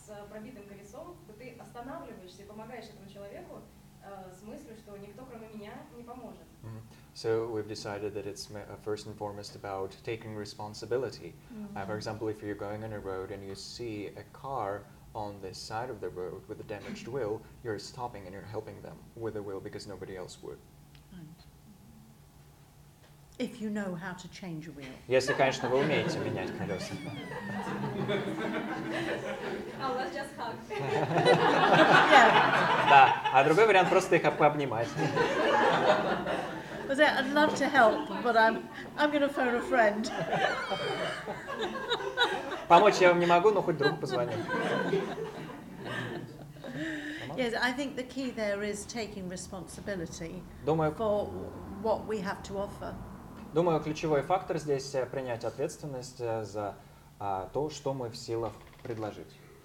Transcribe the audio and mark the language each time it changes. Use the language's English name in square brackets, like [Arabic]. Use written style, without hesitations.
[Russian] Пробитым колесом, то ты останавливаешься и помогаешь этому человеку с мыслью, что никто кроме меня не поможет. Mm-hmm. [English] So we've decided that it's first and foremost about taking responsibility. Mm-hmm. For example, if you're going on a road and you see a car on this side of the road with a damaged wheel, you're stopping and you're helping them with the wheel because nobody else would. If you know how to change a wheel. [Russian] Если, конечно, вы умеете менять колеса. [English] I'll just hug. [Russian] Да, а другой вариант просто их обнимать. [English] I'd love to help, but I'm going to phone a friend. [Russian] Помочь я вам не могу, но хоть другу позвоню. [English] Yes, I think the key there is taking responsibility. [Russian] Думаю, [English] for what we have to offer. [Russian] Думаю, ключевой фактор здесь — принять ответственность за то, что мы в силах предложить.